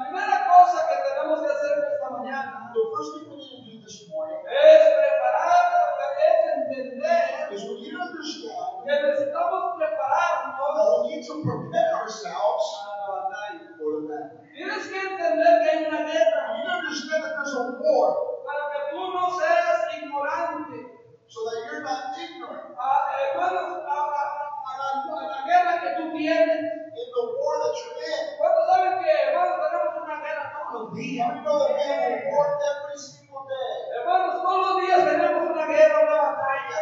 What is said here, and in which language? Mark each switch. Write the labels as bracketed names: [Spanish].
[Spanish] primera cosa que tenemos que hacer esta mañana, [English] the first thing we need to do this morning, [Spanish] es preparar, es entender, [English] is we need to understand, [Spanish] que necesitamos prepararnos, [English] we need to prepare ourselves [Spanish] para la batalla. [English] For the battle. [Spanish] Tienes que entender que hay una guerra. [English] You need to understand that there's a war. [Spanish] Para que tú no seas ignorante. [English] So that you're not ignorant. [Spanish] Que tú tienes. [English] In the war that you're in. [Spanish] ¿Cuántos saben que, hermanos, tenemos una guerra todos los días? [English] We know that we have a war every single day. [Spanish] Hermanos, todos los días tenemos una guerra, una batalla.